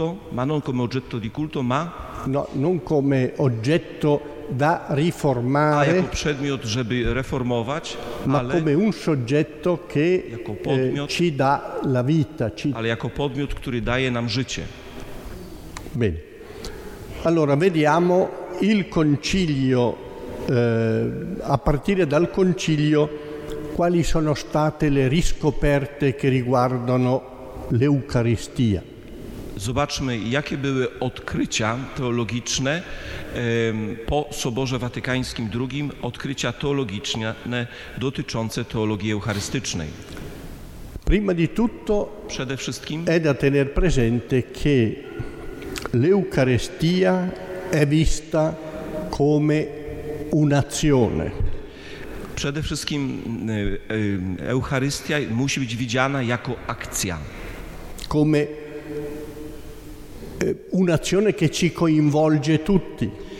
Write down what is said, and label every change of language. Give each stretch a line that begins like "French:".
Italian: Non come oggetto da riformare,
Polish: jako przedmiot, żeby reformować,
Italian: ma come un soggetto che ci dà la vita,
Polish: ale jako podmiot, który daje nam życie.
Italian: Bene. Allora vediamo il concilio, a partire dal concilio, quali sono state le riscoperte che riguardano l'Eucaristia. Zobaczmy, jakie były odkrycia teologiczne po Soborze Watykańskim II, odkrycia teologiczne dotyczące teologii eucharystycznej. Prima di tutto,
Polish: przede wszystkim,
Italian: è da tener presente che l'Eucaristia è vista come un'azione.
Polish: Przede wszystkim Eucharystia musi być widziana jako akcja.
Italian: Come un'azione che ci coinvolge tutti.